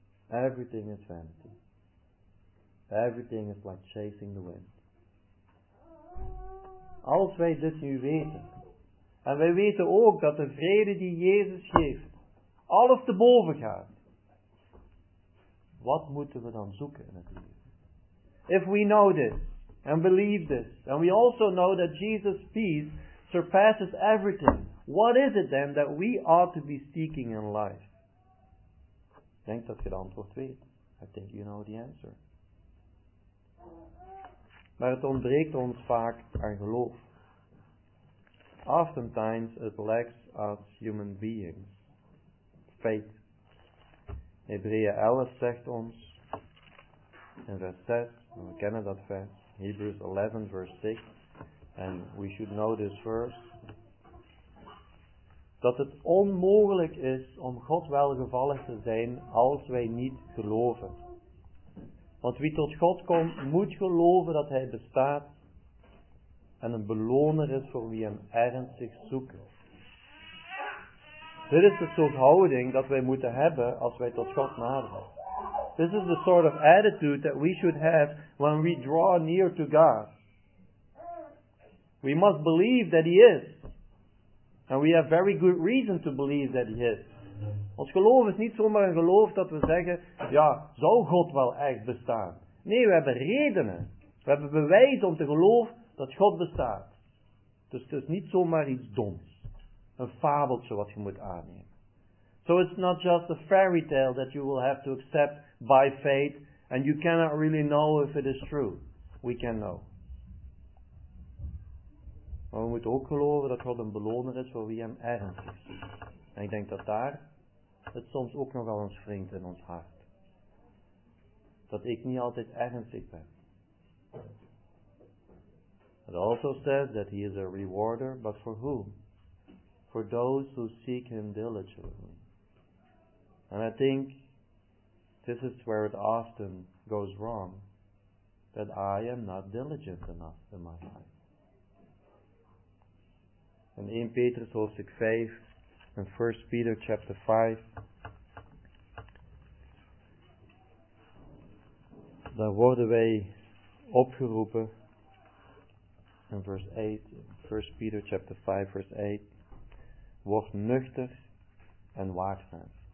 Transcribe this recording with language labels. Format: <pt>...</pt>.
<en>Everything is vanity. Everything is like chasing the wind.</en> <nl>Als wij dit nu weten. En wij weten ook dat de vrede die Jezus geeft, alles te boven gaat. Wat moeten we dan zoeken in het leven?</nl> <en>If we know this and believe this, and we also know that Jesus' peace surpasses everything, what is it then that we ought to be seeking in life?</en> <nl>Ik denk dat je de antwoord weet.</nl> <en>I think you know the answer.</en> <nl>Maar het ontbreekt ons vaak aan geloof.</nl> <en>Oftentimes it lacks us human beings. Faith.</en> <nl>Hebreeën 11 zegt ons, in vers 6, we kennen dat vers,</nl> <en>Hebrews 11 verse 6, and we should know this verse,</en> <nl>dat het onmogelijk is om God welgevallig te zijn als wij niet geloven. Want wie tot God komt, moet geloven dat Hij bestaat en een beloner is voor wie Hem ernstig zoekt. Dit is de soort houding dat wij moeten hebben als wij tot God naderen.</nl> <en>This is the sort of attitude that we should have when we draw near to God. We must believe that He is. And we have very good reason to believe that He is.</en> <nl>Ons geloof is niet zomaar een geloof dat we zeggen, ja, zou God wel echt bestaan? Nee, we hebben redenen. We hebben bewijs om te geloven dat God bestaat. Dus het is niet zomaar iets doms. Een fabeltje wat je moet aannemen.</nl> <en>So it's not just a fairy tale that you will have to accept by faith, and you cannot really know if it is true. We can know.</en> <nl>Maar we moeten ook geloven dat God een beloner is voor wie Hem ernstig is. En ik denk dat daar het soms ook nogal eens wringt in ons hart. Dat ik niet altijd ernstig ben.</nl> <en>It also says that He is a rewarder, but for whom? For those who seek Him diligently. And I think this is where it often goes wrong, that I am not diligent enough in my life.</en> <nl>In 1 Petrus hoofdstuk 5,</nl> <en>in 1 Peter chapter 5,</en> <nl>dan worden wij opgeroepen, in vers 8,</nl> <en>1 Peter chapter 5,</en> <nl>vers 8, word nuchter en waakzaam.</nl>